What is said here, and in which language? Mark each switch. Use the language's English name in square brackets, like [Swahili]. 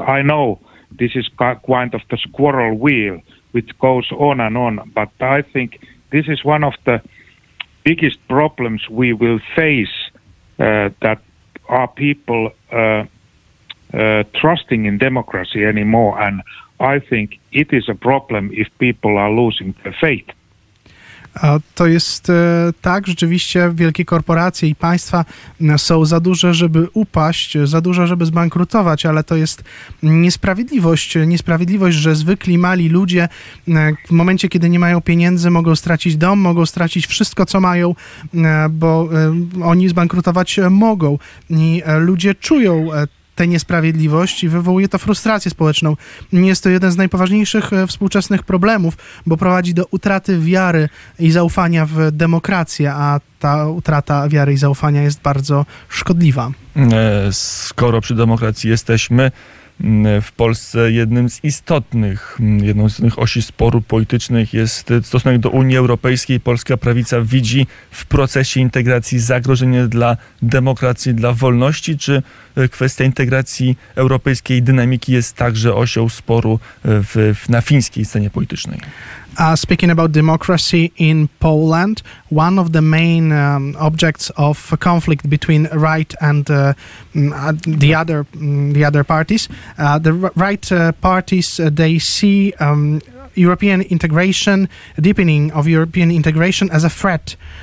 [English] I know this is kind of the squirrel wheel which goes on and on, but I think this is one of the biggest problems we will face, that are people trusting in democracy anymore, and I think it is a problem if people are losing their faith. [Polish] To jest tak, rzeczywiście wielkie korporacje i państwa są za duże, żeby upaść, za duże, żeby zbankrutować, ale to jest niesprawiedliwość, że zwykli mali ludzie w momencie, kiedy nie mają pieniędzy, mogą stracić dom, mogą stracić wszystko, co mają, bo oni zbankrutować mogą i ludzie czują tę niesprawiedliwość i wywołuje to frustrację społeczną. Jest to jeden z najpoważniejszych współczesnych problemów, bo prowadzi do utraty wiary i zaufania w demokrację, a ta utrata wiary i zaufania jest bardzo szkodliwa. Skoro przy demokracji jesteśmy, w Polsce jedną z istotnych osi sporu politycznych jest stosunek do Unii Europejskiej. Polska prawica widzi w procesie integracji zagrożenie dla demokracji, dla wolności. Czy kwestia integracji europejskiej dynamiki jest także osią sporu na fińskiej scenie politycznej? [English] Speaking about democracy in Poland, one of the main objects of conflict between right and the other parties, the right parties, they see European integration, deepening of European integration as a threat.